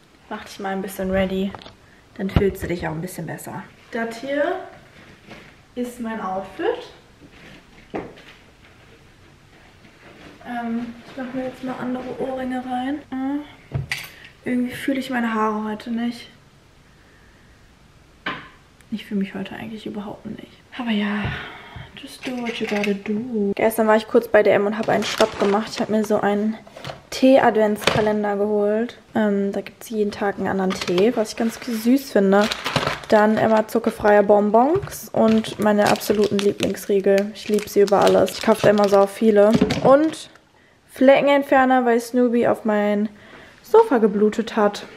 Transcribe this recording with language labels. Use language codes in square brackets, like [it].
[de] Mach dich mal ein bisschen ready. Dann fühlst du dich auch ein bisschen besser. Das hier ist mein Outfit. Ich mache mir jetzt mal andere Ohrringe rein. Irgendwie fühle ich meine Haare heute nicht. Ich fühle mich heute eigentlich überhaupt nicht. Aber ja, [en] just do what you gotta do. [de] Gestern war ich kurz bei DM und habe einen Shop gemacht. Ich habe mir so einen Tee-Adventskalender geholt. Da gibt es jeden Tag einen anderen Tee, was ich ganz süß finde. Dann immer zuckerfreie Bonbons und meine absoluten Lieblingsriegel. Ich liebe sie über alles. Ich kaufe da immer so viele. Und Fleckenentferner, weil Snoopy auf mein Sofa geblutet hat.